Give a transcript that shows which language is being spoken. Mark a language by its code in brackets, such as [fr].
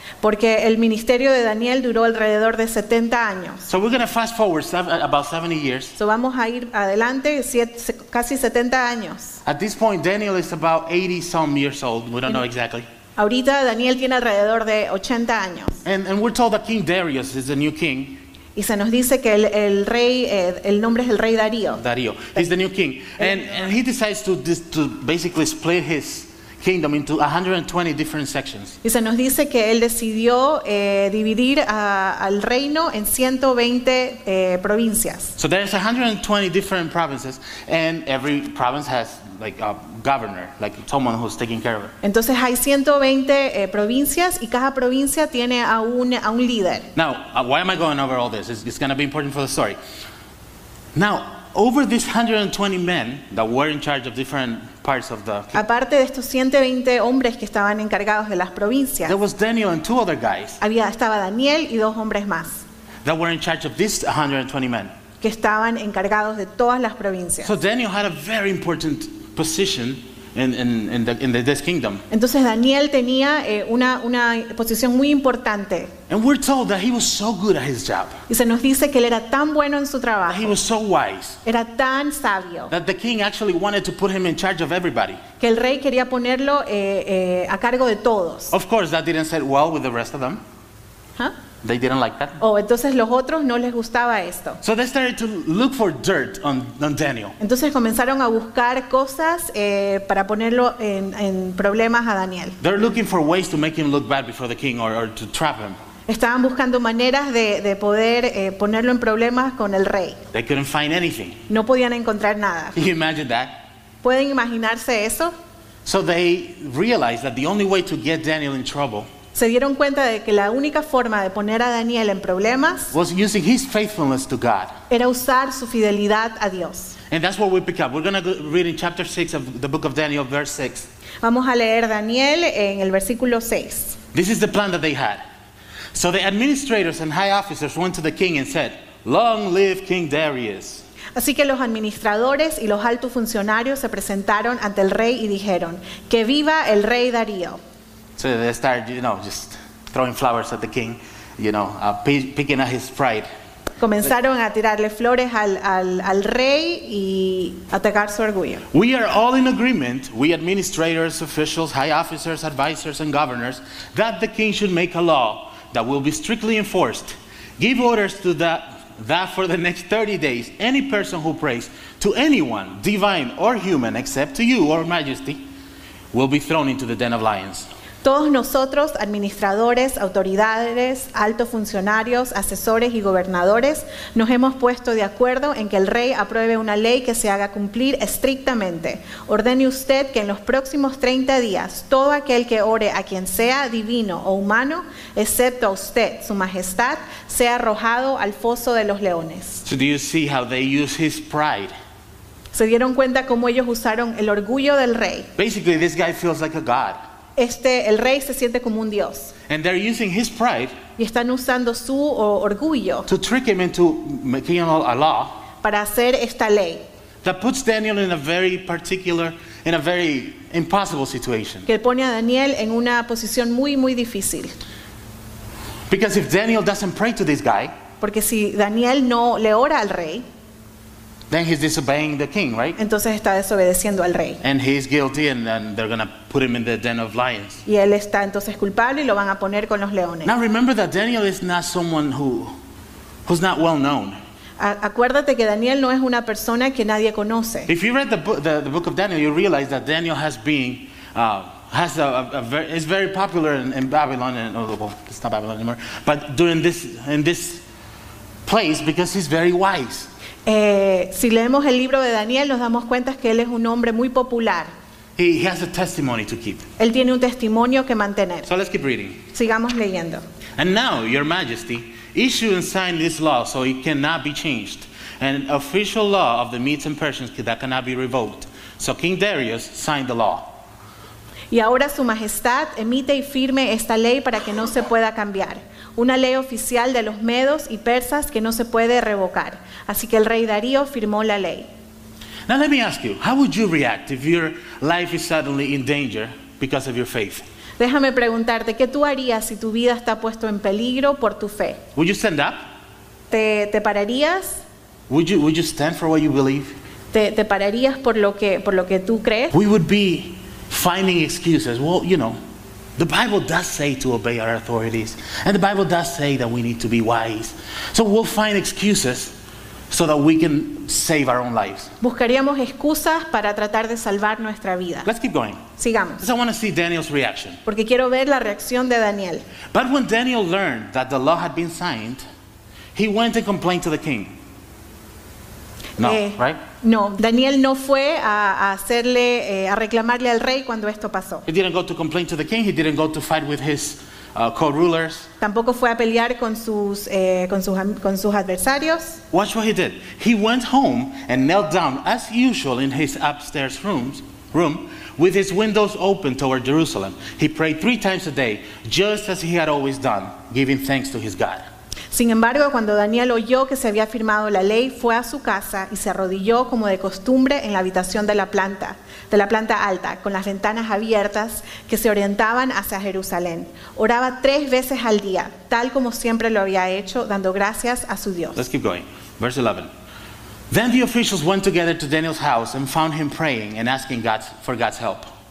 [es] Porque el ministerio de Daniel duró alrededor de 70 años. [en] So we're going to fast forward about 70 years. [es] So vamos a ir adelante casi 70 años. [en] At this point, Daniel is about 80 some years old. We don't know exactly. [es] Ahorita Daniel tiene alrededor de 80 años. [en] And we're told that King Darius is the new king. [es] Y se nos dice que el rey, el nombre es el rey Darío. [en] Darío. He's the new king. And he decides to basically split his kingdom into 120 different sections. [es] Y se nos dice que él decidió dividir al reino en 120 provincias. [en] So there's 120 different provinces, and every province has like a governor, like someone who's taking care of it. [es] Entonces hay 120 provincias y cada provincia tiene a un líder. [en] Now, why am I going over all this? It's going to be important for the story. Now, over these 120 men that were in charge of different parts of the. [es] Aparte de estos 120 hombres que estaban encargados de las provincias. [en] There was Daniel and two other guys. [es] Estaba Daniel y dos hombres más. [en] That were in charge of these 120 men. [es] Que estaban encargados de todas las provincias. [en] So Daniel had a very important position in this kingdom. [es] Entonces Daniel tenía una posición muy importante. [en] And we're told that he was so good at his job. [es] Y se nos dice que él era tan bueno en su trabajo. [en] He was so wise. [es] Era tan sabio. [en] That the king actually wanted to put him in charge of everybody. [es] Que el rey quería ponerlo a cargo de todos. [en] Of course, that didn't sit well with the rest of them. Huh? They didn't like that. [es] Oh, entonces los otros no les gustaba esto. [en] So they started to look for dirt on Daniel. [es] Entonces comenzaron a buscar cosas para ponerlo en problemas a Daniel. [en] They're looking for ways to make him look bad before the king or to trap him. [es] Estaban buscando maneras de poder ponerlo en problemas con el rey. [en] They couldn't find anything. [es] No podían encontrar nada. [en] Can you imagine that? [es] ¿Pueden imaginarse eso? [en] So they realized that the only way to get Daniel in trouble. [es] Se dieron cuenta de que la única forma de poner a Daniel en problemas [en] was using his faithfulness to God. [es] Era usar su fidelidad a Dios. [en] And that's what we pick up. We're going to read in chapter 6 of the book of Daniel, verse 6. [es] Vamos a leer Daniel en el versículo 6. [en] This is the plan that they had. So the administrators and high officers went to the king and said, "Long live King Darius." [es] Así que los administradores y los altos funcionarios se presentaron ante el rey y dijeron, "Que viva el rey Darío." [en] So they start, you know, just throwing flowers at the king, you know, picking at his pride. [es] Comenzaron a tirarle flores al rey y atacar su orgullo. [en] We are all in agreement, we administrators, officials, high officers, advisors, and governors, that the king should make a law that will be strictly enforced. Give orders to that for the next 30 days, any person who prays to anyone, divine or human, except to you, or majesty, will be thrown into the den of lions. [es] Todos nosotros, administradores, autoridades, altos funcionarios, asesores y gobernadores, nos hemos puesto de acuerdo en que el rey apruebe una ley que se haga cumplir estrictamente. Ordene usted que en los próximos 30 días, todo aquel que ore a quien sea divino o humano, excepto a usted, su majestad, sea arrojado al foso de los leones. [en] So do you see how they use his pride? [es] ¿Se dieron cuenta cómo ellos usaron el orgullo del rey? [en] Basically, this guy feels like a god. [es] El rey se siente como un dios. [en] And they're using his pride. [es] Y están usando su orgullo. [en] To trick him into making a law. [es] Para hacer esta ley. [en] That puts Daniel in a very particular, in a very impossible situation. [es] Que pone a Daniel en una posición muy muy difícil. [en] Because if Daniel doesn't pray to this guy. [es] Porque si Daniel no le ora al rey. [en] Then he's disobeying the king, right? [es] Entonces está desobedeciendo al rey. [en] And he's guilty, and then they're gonna put him in the den of lions. [es] Y él está entonces culpable y lo van a poner con los leones. [en] Now remember that Daniel is not someone who's not well known. [es] Acuérdate que Daniel no es una persona que nadie conoce. [en] If you read the book of Daniel, you realize that Daniel is very popular in Babylon, and it's not Babylon anymore, but during this place because he's very wise. [es] Si leemos el libro de Daniel, nos damos cuenta que él es un hombre muy popular. [en] He has a testimony to keep. [es] Él tiene un testimonio que mantener. [en] So let's keep reading. [es] Sigamos leyendo. [en] And now, your majesty, issue and sign this law so it cannot be changed. An official law of the Medes and Persians that cannot be revoked. So King Darius signed the law. [es] Y ahora su majestad emite y firme esta ley para que no se pueda cambiar. Una ley oficial de los medos y persas que no se puede revocar. Así que el rey Darío firmó la ley. [en] Now let me ask you, how would you react if your life is suddenly in danger because of your faith? [es] Déjame preguntarte, ¿qué tú harías si tu vida está puesto en peligro por tu fe? [en] Would you stand up? [es] ¿Te pararías? [en] Would you stand for what you believe? [es] ¿Te pararías por lo que tú crees? [en] We would be finding excuses. Well, you know, the Bible does say to obey our authorities, and the Bible does say that we need to be wise. So we'll find excuses so that we can save our own lives. [es] Buscaríamos excusas para tratar de salvar nuestra vida. [en] Let's keep going. [es] Sigamos. [en] Because I want to see Daniel's reaction. [es] Porque quiero ver la reacción de Daniel. [en] But when Daniel learned that the law had been signed, he went and complained to the king. [es] No, Daniel no fue a reclamarle al rey cuando esto pasó. [en] He didn't go to complain to the king. He didn't go to fight with his co-rulers. [es] Tampoco fue a pelear con sus adversarios. [en] Watch what he did. He went home and knelt down as usual in his upstairs room with his windows open toward Jerusalem. He prayed 3 times a day, just as he had always done, giving thanks to his God. [es] Sin embargo, cuando Daniel oyó que se había firmado la ley, fue a su casa y se arrodilló como de costumbre en la habitación de la planta alta, con las ventanas abiertas que se orientaban hacia Jerusalén. Oraba 3 veces al día, tal como siempre lo había hecho, dando gracias a su Dios. [en] Let's keep going. Verse 11. Then the officials went together to Daniel's house and found him praying and asking God for God's help.